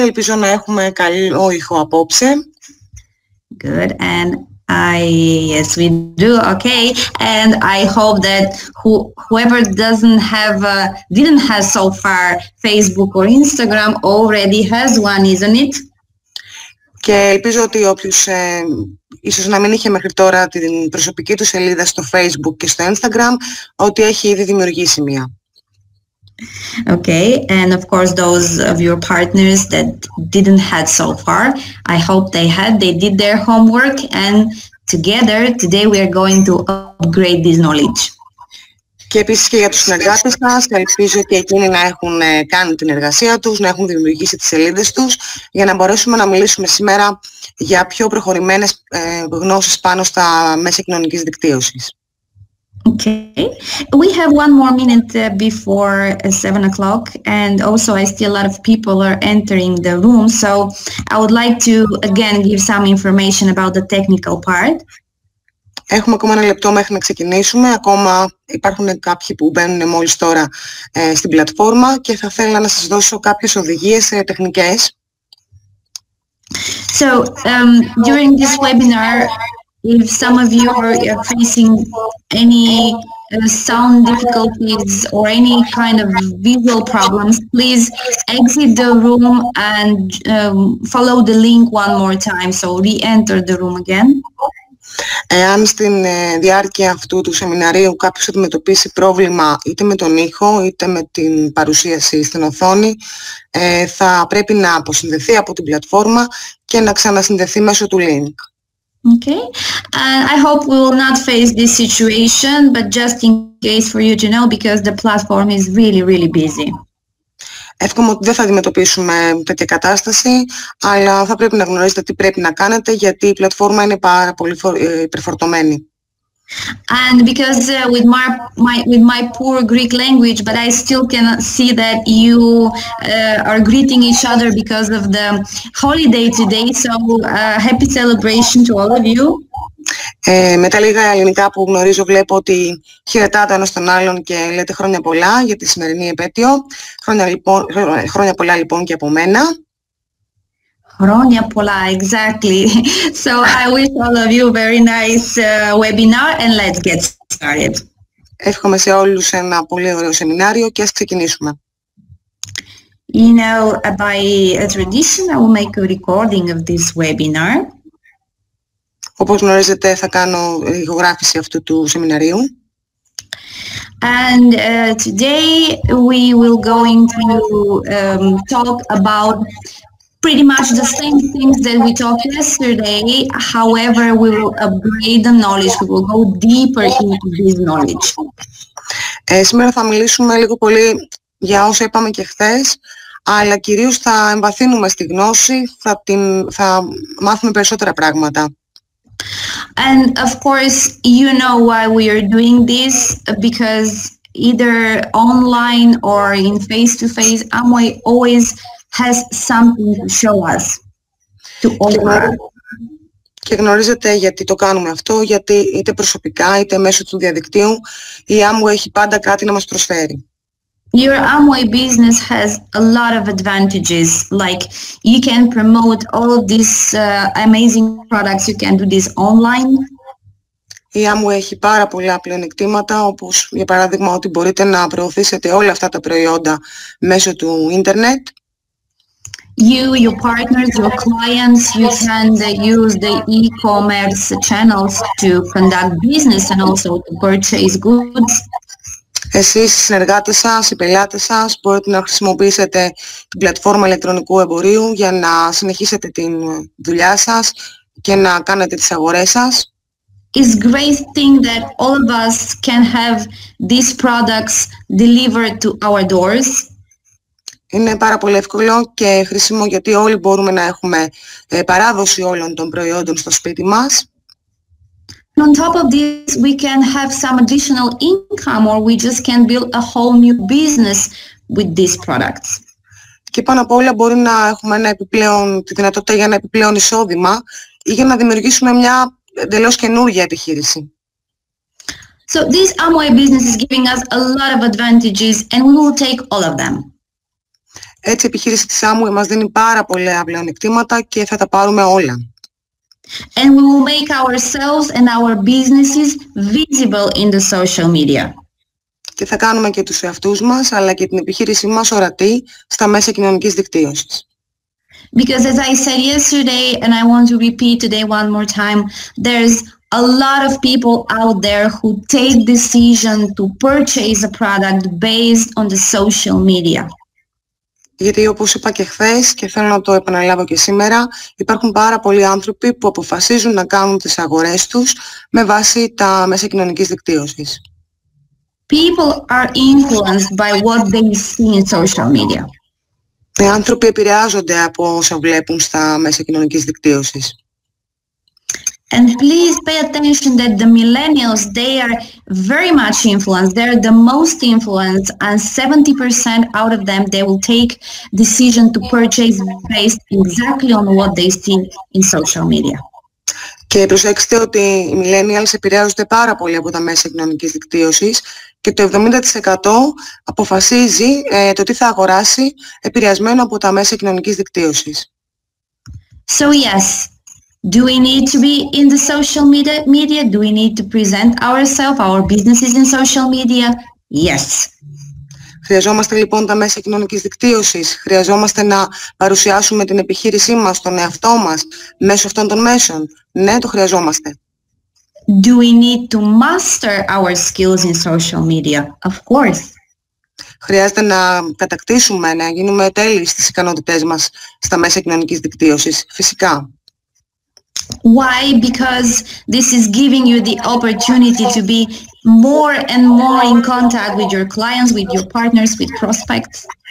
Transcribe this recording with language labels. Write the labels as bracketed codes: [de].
[el] Ελπίζω να έχουμε καλό ήχο απόψε. [en] Good, and I, yes, we do, okay. And I hope that whoever doesn't have, didn't have so far Facebook or Instagram already has one, isn't it? [el] Και ελπίζω ότι όποιος ίσως να μην είχε μέχρι τώρα την προσωπική του σελίδα στο Facebook και στο Instagram, ότι έχει ήδη δημιουργήσει μία. [en] Okay, and of course those of your partners that didn't have so far, I hope they had, they did their homework, and together today we are going to upgrade this knowledge. [el] Και επίσης και για τους συνεργάτες σας, ελπίζω και εκείνοι να έχουν κάνει την εργασία τους, να έχουν δημιουργήσει τις σελίδες τους, για να μπορέσουμε να μιλήσουμε σήμερα για πιο προχωρημένες γνώσεις πάνω στα μέσα κοινωνικής δικτύωσης. [en] Okay, we have one more minute before 7 o'clock, and also I see a lot of people are entering the room, so I would like to again give some information about the technical part. [el] Έχουμε ακόμα ένα λεπτό μέχρι να ξεκινήσουμε. Ακόμα υπάρχουν κάποιοι που μπαίνουν μόλις τώρα στην πλατφόρμα και θα ήθελα να σας δώσω κάποιες οδηγίες τεχνικές. [en] So, during this webinar, if some of you are facing any sound difficulties or any kind of visual problems, please exit the room and follow the link one more time. So re-enter the room again. [el] Εάν στην διάρκεια αυτού του σεμιναρίου κάποιος αντιμετωπίσει πρόβλημα είτε με τον ήχο είτε με την παρουσίαση στην οθόνη, θα πρέπει να αποσυνδεθεί από την πλατφόρμα και να ξανασυνδεθεί μέσω του link. [en] Okay, and I hope we will not face this situation, but just in case for you to know, because the platform is really, really busy. [el] Εύχομαι ότι δεν θα αντιμετωπίσουμε τέτοια κατάσταση, αλλά θα πρέπει να γνωρίζετε τι πρέπει να κάνετε, γιατί η πλατφόρμα είναι πάρα πολύ υπερφορτωμένη. [en] And because with my poor Greek language, but I still can see that you are greeting each other because of the holiday today, so happy celebration to all of you. [el] Με τα λίγα ελληνικά που γνωρίζω βλέπω ότι χαιρετάτε ένας τον άλλον και λέτε χρόνια πολλά για τη σημερινή επέτειο. Χρόνια πολλά λοιπόν και από μένα. Χρόνια πολλά, [en] exactly. So I wish all of you a very nice webinar and let's get started. [el] Εύχομαι σε όλους ένα πολύ ωραίο σεμινάριο και ας ξεκινήσουμε. [en] You know, by a tradition, I will make a recording of this webinar. [el] Όπως γνωρίζετε, θα κάνω ηχογράφηση αυτού του σεμιναρίου. [en] And today we will going to talk about pretty much the same things that we talked yesterday, however, we will upgrade the knowledge, we will go deeper into this knowledge. [el] Σήμερα θα μιλήσουμε λίγο πολύ για όσα είπαμε και χθες, αλλά κυρίως θα εμβαθύνουμε στη γνώση, θα μάθουμε περισσότερα πράγματα. [en] And of course, you know why we are doing this, because either online or in face-to-face, Amway always has something to show us, to offer. [el] Και γνωρίζετε γιατί το κάνουμε αυτό, γιατί είτε προσωπικά είτε μέσω του διαδικτύου, η Amway έχει πάντα κάτι να μας προσφέρει. [en] Your Amway business has a lot of advantages, like you can promote all of these amazing products, you can do this online. [el] Η Amway έχει πάρα πολλά πλεονεκτήματα, όπως για παράδειγμα ότι μπορείτε να προωθήσετε όλα αυτά τα προϊόντα μέσω του ίντερνετ. [en] You, your partners, your clients, you can use the e-commerce channels to conduct business and also to purchase goods. [el] Εσείς, οι συνεργάτες σας, οι πελάτες σας, μπορείτε να χρησιμοποιήσετε την πλατφόρμα ηλεκτρονικού εμπορίου για να συνεχίσετε τη δουλειά σας και να κάνετε τις αγορές σας. [en] It's a great thing that all of us can have these products delivered to our doors. [el] Είναι πάρα πολύ εύκολο και χρήσιμο γιατί όλοι μπορούμε να έχουμε παράδοση όλων των προϊόντων στο σπίτι μας. [en] On top of this, we can have some additional income or we just can build a whole new business with these products. [el] Και πάνω απ' όλα μπορεί να έχουμε ένα επιπλέον, τη δυνατότητα για ένα επιπλέον εισόδημα ή για να δημιουργήσουμε μια εντελώς καινούργια επιχείρηση. [en] So this Amway business is giving us a lot of advantages and we will take all of them. [el] Έτσι, η επιχείρηση της Άμου μας δίνει πάρα πολλά πλεονεκτήματα και θα τα πάρουμε όλα. [en] And we will make ourselves and our businesses visible in the social media. [el] Και θα κάνουμε και τους εαυτούς μας, αλλά και την επιχείρησή μας ορατή στα μέσα κοινωνικής δικτύωσης. [en] Because as I said yesterday, and I want to repeat today one more time, there's a lot of people out there who take decision to purchase a product based on the social media. [el] Γιατί όπως είπα και χθες και θέλω να το επαναλάβω και σήμερα, υπάρχουν πάρα πολλοί άνθρωποι που αποφασίζουν να κάνουν τις αγορές τους με βάση τα μέσα κοινωνικής δικτύωσης. [en] People are influenced by what they see in social media. [el] Οι άνθρωποι επηρεάζονται από όσα βλέπουν στα μέσα κοινωνικής δικτύωσης. [en] And please pay attention that the millennials, they are very much influenced. They are the most influenced and 70% out of them, they will take decision to purchase based exactly on what they see in social media. [el] Και προσέξτε ότι οι millennials επηρεάζονται πάρα πολύ από τα μέσα κοινωνικής δικτύωσης και το 70% αποφασίζει το τι θα αγοράσει επηρεασμένο από τα μέσα κοινωνικής δικτύωσης. [en] So yes. Do we need to be in the social media? Do we need to present ourselves, our businesses in social media? Yes. [el] Χρειαζόμαστε λοιπόν τα μέσα κοινωνικής δικτύωσης. Χρειαζόμαστε να παρουσιάσουμε την επιχείρησή μας, τον εαυτό μας, μέσω αυτών των μέσων. Ναι, το χρειαζόμαστε. [en] Do we need to master our skills in social media? Of course. [el] Χρειάζεται να κατακτήσουμε, να γίνουμε τέλειοι στις ικανότητές μας στα μέσα κοινωνικής δικτύωσης. Φυσικά. [en] Why? Because this is giving you the opportunity to be more and more in contact with your clients, with your partners, with prospects.